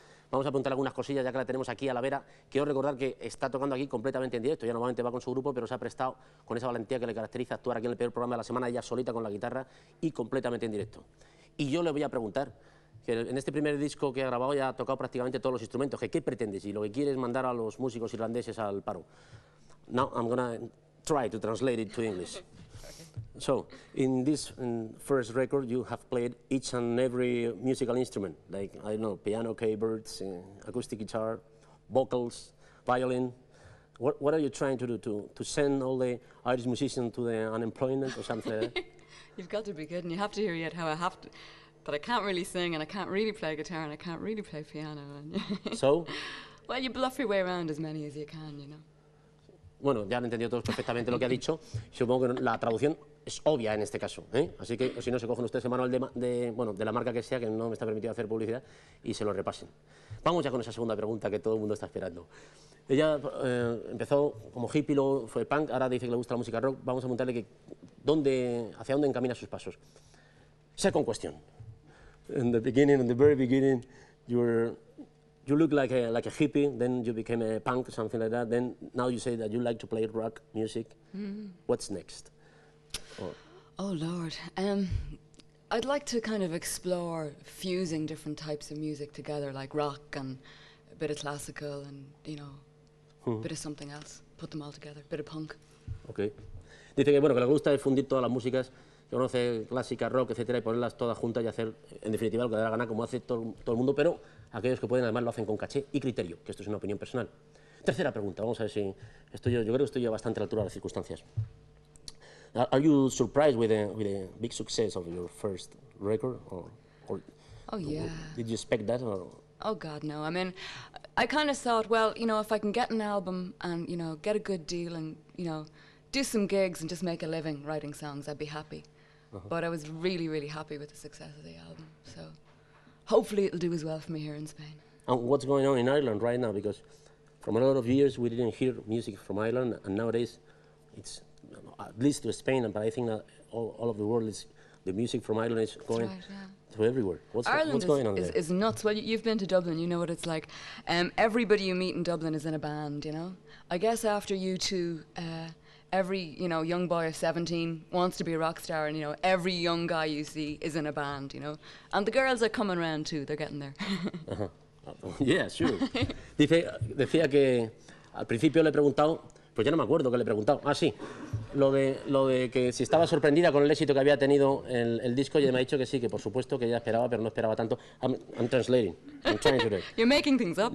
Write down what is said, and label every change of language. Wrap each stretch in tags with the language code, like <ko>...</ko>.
<es>Vamos a apuntar algunas cosillas, ya que la tenemos aquí a la vera. Quiero recordar que está tocando aquí completamente en directo, ya normalmente va con su grupo, pero se ha prestado con esa valentía que le caracteriza actuar aquí en el peor programa de la semana, ella solita con la guitarra y completamente en directo. Y yo le voy a preguntar, que en este primer disco que ha grabado ya ha tocado prácticamente todos los instrumentos. ¿Qué pretendes? Y lo que quieres es mandar a los músicos irlandeses al paro.</es> <en>Now I'm going to try to translate it to English. So, in this first record you have played each and every musical instrument, like, I don't know, piano, keyboards, acoustic guitar, vocals, violin. What are you trying to do? To send all the Irish musicians to the unemployment or something like that? You've got to be good, and you have to hear yet how I have to. But I can't really sing, and I can't really play guitar, and I can't really play piano. And so? Well, you bluff your way around as many as you can, you know.</en> <es>Bueno, ya han entendido todos perfectamente lo que ha dicho. Supongo que la traducción es obvia en este caso, ¿eh? Así que si no, se cogen ustedes el manual de la marca que sea, que no me está permitido hacer publicidad, y se lo repasen. Vamos ya con esa segunda pregunta que todo el mundo está esperando. Ella empezó como hippie, luego fue punk, ahora dice que le gusta la música rock. Vamos a preguntarle hacia dónde encamina sus pasos.</es> <en>Second question. in the beginning, in the very beginning, you look like a hippie, then you became a punk, something like that. Then now you say that you like to play rock music. Mm. What's next? Oh Lord, I'd like to kind of explore fusing different types of music together, like rock and a bit of classical and, you know, a bit of something else, put them all together, a bit of punk. Okay.</en> <es>Dice que, bueno, que le gusta fundir todas las músicas, que conoce clásica, rock, etcétera, y ponerlas todas juntas y hacer, en definitiva, lo que da la gana, como hace todo el mundo, pero aquellos que pueden, además, lo hacen con caché y criterio, que esto es una opinión personal. Tercera pregunta, vamos a ver si estoy yo creo que estoy yo bastante a la altura de las circunstancias.</es> <en>Are you surprised with the big success of your first record, or oh yeah, did you expect that, or? Oh God, no. I mean, I kind of thought, well, you know, if I can get an album and, you know, get a good deal and, you know, do some gigs and just make a living writing songs, I'd be happy. Uh-huh. But I was really, really happy with the success of the album. So hopefully it'll do as well for me here in Spain. And what's going on in Ireland right now? Because from a lot of years we didn't hear music from Ireland, and nowadays it's, at least to Spain, but I think that all of the world is, the music from Ireland is going to everywhere. What's going on there? Ireland is nuts. Well, you've been to Dublin, you know what it's like. Everybody you meet in Dublin is in a band, you know? I guess after U2, every, you know, young boy of 17 wants to be a rock star, and, you know, every young guy you see is in a band, you know? And the girls are coming around too, they're getting there. Yeah, sure.</en> <es>Decía que al principio le he preguntado, pues ya no me acuerdo que le he preguntado. Ah, sí. Lo de que si estaba sorprendida con el éxito que había tenido el disco, y me ha dicho que sí, que por supuesto que ella esperaba, pero no esperaba tanto.</es> <en>I'm translating. I'm trying to do it. You're making things up.</en>